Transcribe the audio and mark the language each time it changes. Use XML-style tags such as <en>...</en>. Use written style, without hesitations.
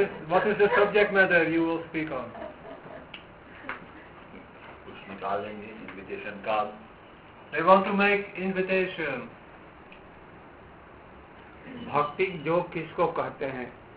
<en>What is the subject matter you will speak on?</en> <hi>कुछ निकालेंगे</hi> <en>invitation card. They want to make invitation.</en> <hi>भक्ति योग किसको कहते हैं?</hi>